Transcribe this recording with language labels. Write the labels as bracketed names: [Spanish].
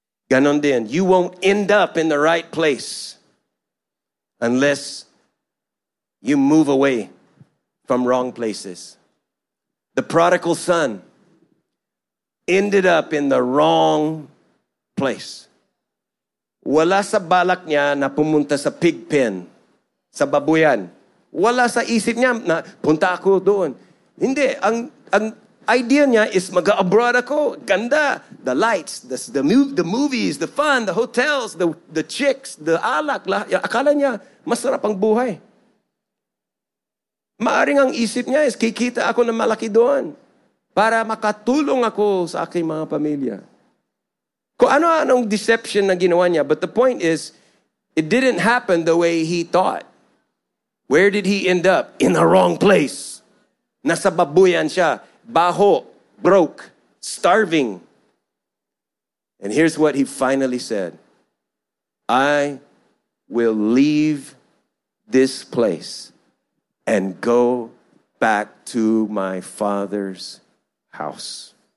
[Filipino] Ganon din, [English] you won't end up in the right place unless you move away from wrong places. The prodigal son ended up in the wrong place. [Filipino] Wala sa balak niya na pumunta sa pig pen, sa babuyan. Wala sa isip niya na punta ako doon. Hindi, ang idea niya is mag-abroad ako. Ganda, the lights, the movies, the fun, the hotels, the chicks, the alak. Akala niya masarap ang buhay. Maaring ang isip niya is kikita ako ng malaki doon para makatulong ako sa aking mga pamilya. Kung ano-anong deception na ginawa niya. [English] But the point is, it didn't happen the way he thought. Where did he end up? In the wrong place. [Filipino] Nasa babuyan siya. Baho. [English] Broke. Starving. And here's what he finally said. I will leave this place and go back to my father's house.